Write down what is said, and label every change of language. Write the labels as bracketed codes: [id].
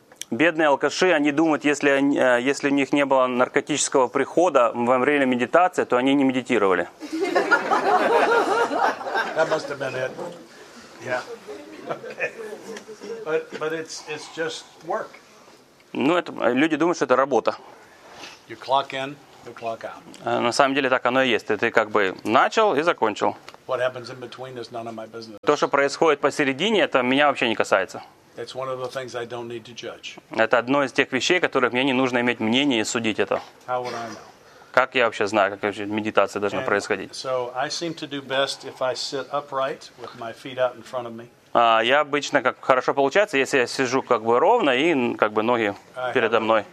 [ru] Эти бедные алкаши, они думают, если у них не было наркотического прихода во время медитации, то они не медитировали. [en] That must have been it. Yeah. Okay. But it's just work. [ru] Это люди думают, что это работа. [en] You clock in, you clock out. [ru] На самом деле так оно и есть. Ты как бы начал и закончил. [en] What happens in between is none of my business. [ru] То, что происходит посередине, это меня вообще не касается. [en] It's one of the things I don't need to judge. [ru] Это одно из тех вещей, которых мне не нужно иметь мнение и судить это. [en] How would I know? [ru] Как я вообще знаю, как вообще медитация должна происходить? [en] So I seem to do best if I sit upright with my feet out in front of me. [ru] Я обычно как хорошо получается, если я сижу как бы ровно и как бы ноги передо мной.